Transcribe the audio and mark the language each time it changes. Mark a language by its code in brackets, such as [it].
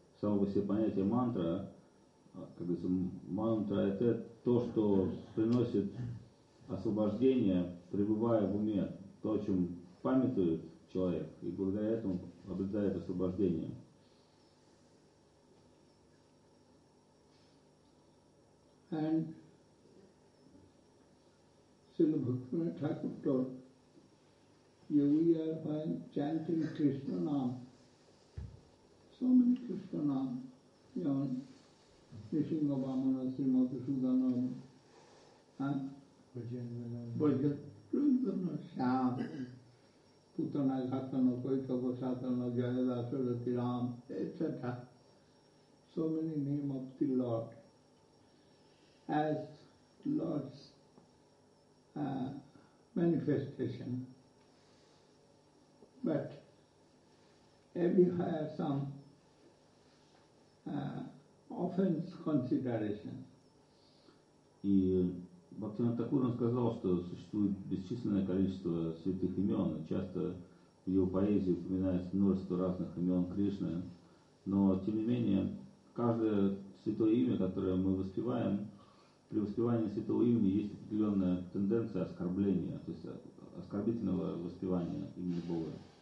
[ru] само по себе понятие мантра, как говорится, мантра это то, что приносит освобождение, пребывая в уме, то, о чем памятует человек, и благодаря этому обретает освобождение. [en] And Srila Bhaktivinoda Thakur told, here we are by chanting Krishna Nam. So many Krishna Nam, you know, Nishinga Vamana, Srimati Sudhana, Bhajyatrundana Shyam, Putana Ghatana, Koitava Satana, Jayadasa Rati Ram, etc. So many names of the Lord. As Lord's manifestation, but everywhere some offense consideration. [ru] И Бхактивинода Тхакур сказал, что существует бесчисленное количество святых имен. Часто в его поэзии упоминается множество разных имен Кришны, но тем не менее каждое святое имя, которое мы воспеваем, при воспевании святого имени есть определенная тенденция оскорбления, то есть оскорбительного воспевания имени Бога.